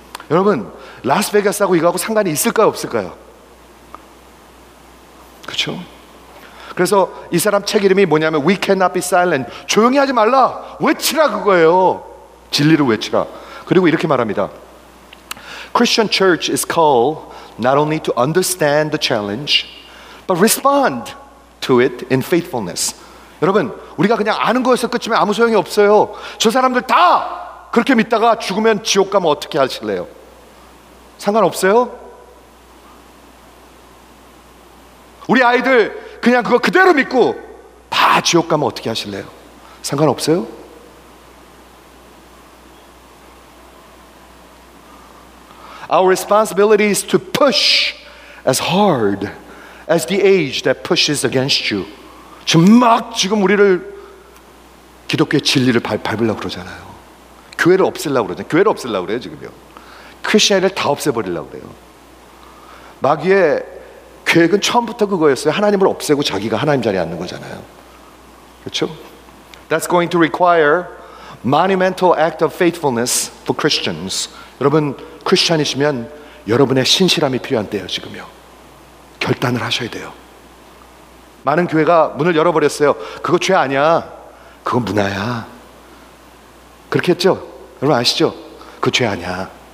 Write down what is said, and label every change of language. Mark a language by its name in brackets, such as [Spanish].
[Korean] 여러분, 라스베가스하고 이거하고 상관이 있을까요 없을까요? 그렇죠? 그래서 이 사람 책 이름이 뭐냐면 [English] We cannot be silent. [Korean] 조용히 하지 말라, 외치라 그거예요. 진리를 외치라. 그리고 이렇게 말합니다. [English] Christian church is called not only to understand the challenge but respond to it in faithfulness. [Korean] 여러분, 우리가 그냥 아는 거에서 끝이면 아무 소용이 없어요. 저 사람들 다 그렇게 믿다가 죽으면 지옥 가면 어떻게 하실래요? 상관없어요? 우리 아이들 그냥 그거 그대로 믿고 다 지옥 가면 어떻게 하실래요? 상관없어요? [English] 'Our responsibility is to push as hard as the age that pushes against you.' [Korean] 지금 막 지금 우리를 기독교의 진리를 밟으려고 그러잖아요. 교회를 없애려고 그러잖아요. 교회를 없애려고 그래요 지금요. 크리스천을 다 없애버리려고 그래요. 마귀의 계획은 처음부터 그거였어요. 하나님을 없애고 자기가 하나님 자리에 앉는 거잖아요. 그렇죠? [English] That's going to require monumental act of faithfulness for Christians. [Korean] 여러분, 크리스천이시면 여러분의 신실함이 필요한 때예요 지금요. 결단을 하셔야 돼요. 많은 교회가 문을 열어버렸어요. 그거 죄 아니야, 그건 문화야, 그렇게 했죠? 여러분 아시죠? 그거 죄 아니야.